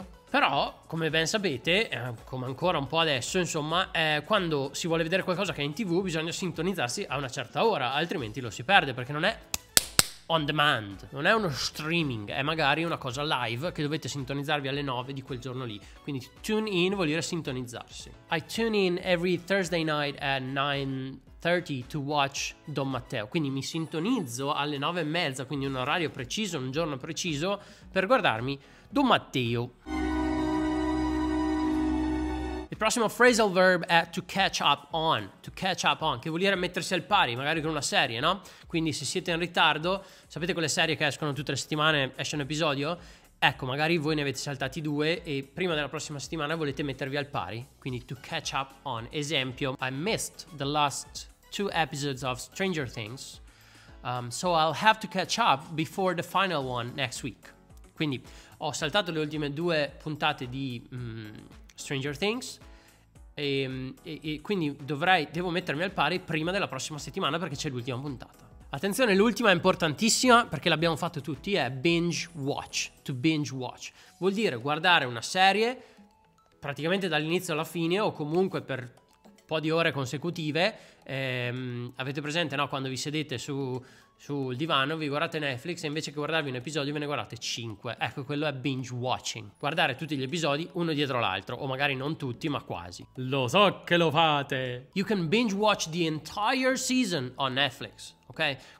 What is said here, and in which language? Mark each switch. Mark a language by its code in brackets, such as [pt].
[it] Però, come ben sapete, come ancora un po' adesso, insomma, quando si vuole vedere qualcosa che è in TV, bisogna sintonizzarsi a una certa ora, altrimenti lo si perde, perché non è on demand, non è uno streaming, è magari una cosa live che dovete sintonizzarvi alle 9 di quel giorno lì. Quindi tune in vuol dire sintonizzarsi. [en] I tune in every Thursday night at 9:30 to watch Don Matteo. [it] Quindi mi sintonizzo alle 9:30, quindi un orario preciso, un giorno preciso, per guardarmi Don Matteo. Il prossimo phrasal verb è to catch up on. To catch up on, che vuol dire mettersi al pari, magari con una serie, no? Quindi se siete in ritardo, sapete quelle serie che escono tutte le settimane, esce un episodio? Ecco, magari voi ne avete saltati due e prima della prossima settimana volete mettervi al pari. Quindi to catch up on. Esempio, [en] I missed the last two episodes of Stranger Things, so I'll have to catch up before the final one next week. [it] Quindi ho saltato le ultime due puntate di... Stranger Things, e quindi devo mettermi al pari prima della prossima settimana, perché c'è l'ultima puntata. Attenzione, l'ultima è importantissima, perché l'abbiamo fatto tutti, è binge watch. To binge watch vuol dire guardare una serie praticamente dall'inizio alla fine, o comunque per un po' di ore consecutive. Avete presente, no, quando vi sedete su sul divano, vi guardate Netflix e invece che guardarvi un episodio ve ne guardate 5. Ecco, quello è binge watching. Guardare tutti gli episodi uno dietro l'altro, o magari non tutti, ma quasi. Lo so che lo fate! [en] You can binge watch the entire season on Netflix, ok?